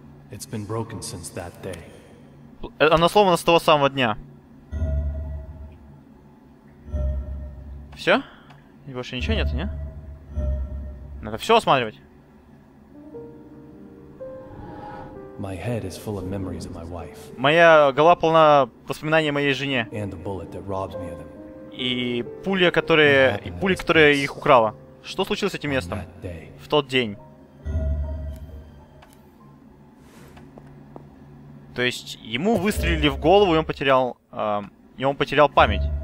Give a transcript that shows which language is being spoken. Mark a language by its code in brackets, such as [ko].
[en] It's been broken since that day. [ru] Она сломана с того самого дня. Все? И больше ничего нет, не? Надо все осматривать. [en] My head is full of memories of my wife. [ru] Моя голова полна воспоминаний о моей жене. [en] And the bullet that robbed me of them. [ru] И пуля, которая их украла. Что случилось с этим местом? В тот день. То есть ему выстрелили в голову, и он потерял память.